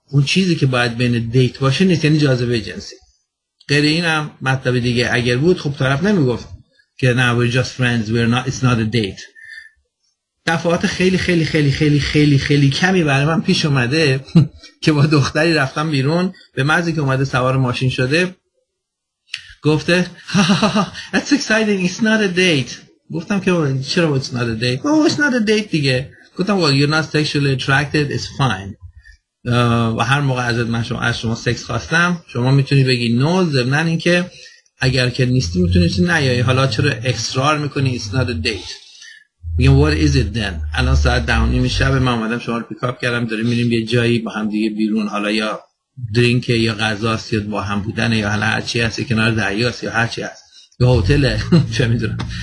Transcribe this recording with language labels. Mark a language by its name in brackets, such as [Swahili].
[Persian] اون چیزی که باید بین دیت باشه نیست، یعنی جاذبه جنسی. غیر اینم مطلب دیگه اگر بود خب طرف نمیگفت که نه [English] we're just friends we're not it's not a date. [Persian] دفعات خیلی خیلی خیلی خیلی خیلی خیلی کمی برای من پیش اومده که با دختری رفتم بیرون، به معنی که اومده سوار ماشین شده گفته [English] that's exciting it's not a date. [Persian] گفتم که چرا [English] it's not a date؟ oh it's not a date [Persian] دیگه. گفتم [English] well you're not sexually attracted it's fine. [Persian] و هر موقع ازت من شما از شما سکس خواستم شما میتونی بگی نو، ضمناً این که اگر که نیستی میتونی نیایی. حالا چرا اصرار میکنی [English] it's not a date؟ [Persian] میگم [English] what is it then؟ [Persian] الان ساعت 9:30 شب، من اومدم شما رو پیکاپ کردم، داریم میریم یه جایی با هم دیگه بیرون، حالا یا درینک یا غذا است یا با هم بودن یا حالا هر چی هست، کنار دریاست یا هر چی هست، یا هتل چه میدونم.